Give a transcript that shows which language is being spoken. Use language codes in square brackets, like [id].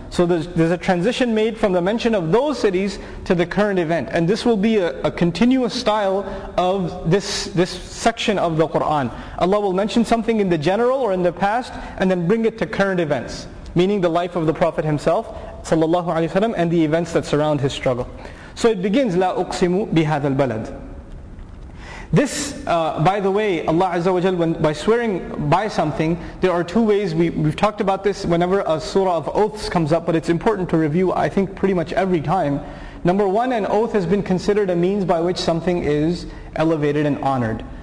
[en] So there's a transition made from the mention of those cities to the current event. And this will be a continuous style of this section of the Qur'an. Allah will mention something in the general or in the past, and then bring it to current events. Meaning the life of the Prophet himself, sallallahu alayhi wa sallam, and the events that surround his struggle. So it begins, [ar] لا أقسم بهذا البلد. [en] This, by the way, Allah Azza wa Jal, by swearing by something, there are two ways. We've talked about this whenever a surah of oaths comes up, but it's important to review, I think, pretty much every time. Number one, an oath has been considered a means by which something is elevated and honored.